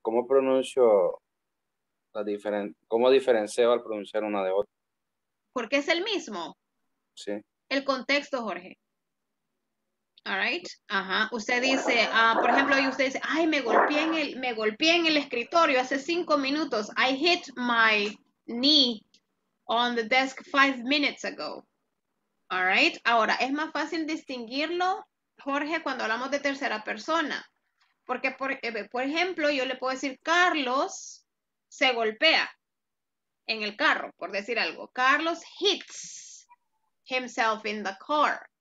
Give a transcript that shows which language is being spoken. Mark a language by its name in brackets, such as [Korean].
[Spanish] ¿Cómo pronuncio la diferencia? ¿Cómo diferencio al pronunciar una de otra? Porque es el mismo. Sí. El contexto, Jorge. All right. Ajá. Usted dice, por ejemplo, y usted dice, ay, me golpeé en el escritorio hace 5 minutos. [English] I hit my knee on the desk 5 minutes ago. All right. [Spanish] Ahora, es más fácil distinguirlo, Jorge, cuando hablamos de tercera persona. Porque, por ejemplo, yo le puedo decir, Carlos se golpea en el carro, por decir algo. [English] Carlos hits himself in the car.